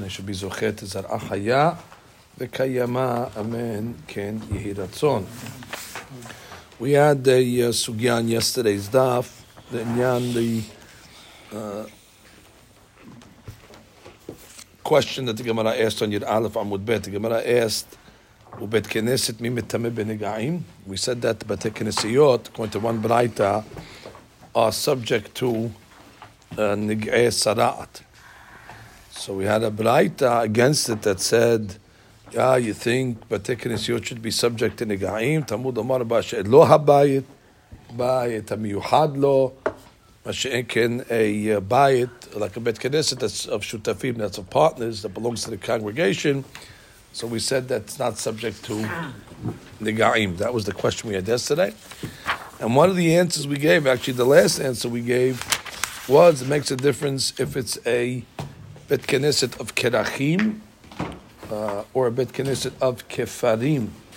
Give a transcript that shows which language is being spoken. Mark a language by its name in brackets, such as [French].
[English] They should be Zochet, Zar Achaya, Vekayama, Amen, Ken Yehiratzon. We had a sugyan yesterday's Daf, the Nyan, the question that the Gemara asked on Yud Aleph Amud Bet. The Gemara asked, [Hebrew] ובית כנסת מי מטמא בנגעים? [English] We said that בתי כנסיות, according to one brayta, are subject to נגעי סרעת. So we had a brayta against it that said, yeah, you think בתי כנסיות should be subject to נגעים? [Hebrew] תמוד אמר בה שלא הבית, בית המיוחד לו, מה שאין כן a בית, like a בית כנסת [English] that's of שותפים, that's of partners, that belongs to the congregation. So we said that's not subject to nega'im. That was the question we had yesterday. And one of the answers we gave, actually the last answer we gave, was it makes a difference if it's a bet kenesset of kerachim or a bet kenesset of kefarim.